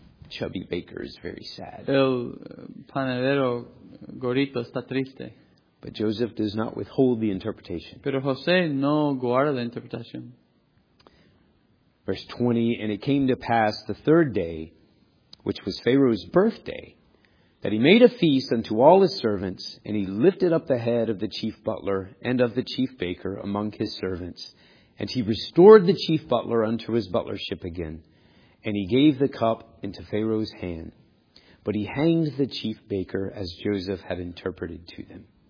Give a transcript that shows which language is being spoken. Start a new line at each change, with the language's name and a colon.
English: Chubby Baker is very sad.
Spanish: El panadero gorito está triste.
English: But Joseph does not withhold the interpretation.
Spanish: Pero José no guarda la interpretación.
English: Verse 20, and it came to pass the third day, which was Pharaoh's birthday, that he made a feast unto all his servants, and he lifted up the head of the chief butler and of the chief baker among his servants, and he restored the chief butler unto his butlership again, and he gave the cup into Pharaoh's hand, but he hanged the chief baker as Joseph had interpreted to them.